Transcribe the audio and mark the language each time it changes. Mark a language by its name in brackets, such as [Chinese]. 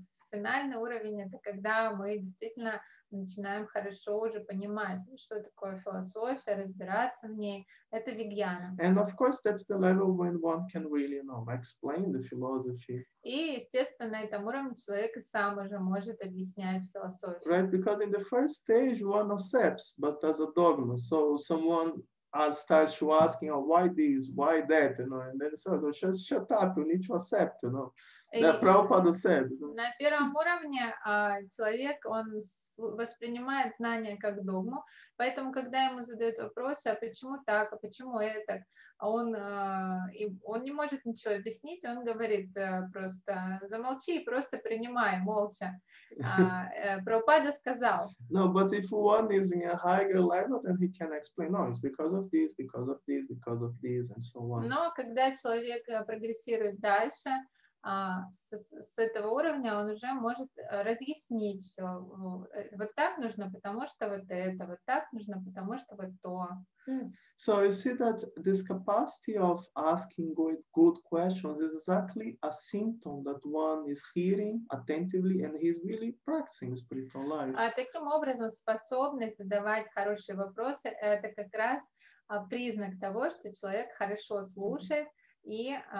[Russian] Финальный уровень — это когда мы действительно начинаем хорошо уже понимать, что такое философия, разбираться в ней. Это вегьяна. [English] And of course, that's the level when one can really, you know, explain the philosophy. [Russian] И, естественно, на этом уровне человек сам уже может объяснять философию. [English] Right, because in the first stage one accepts, but as a dogma. So someone starts asking, oh, why this, why that, you know, and then says, so just shut up, you need to accept, you know. That Prabhupada said. [Russian] На первом уровне человек, он воспринимает знания как догму, поэтому, когда ему задают вопросы, а почему так, а почему это, он не может ничего объяснить, он говорит просто, замолчи и просто принимай, молча. Прабхупада сказал. [English] No, but if one is in a higher level, then he can explain, no, it's because of this, because of this, because of this, and so on. [Russian] Но когда человек прогрессирует дальше, с этого уровня он уже может разъяснить все. Вот так нужно, потому что вот это. Вот так нужно, потому что вот то. Yeah. [English] So you see that this capacity of asking good questions is exactly a symptom that one is hearing attentively and he's really practicing spiritual life. [Russian] Таким образом, способность задавать хорошие вопросы — это как раз признак того, что человек хорошо слушает и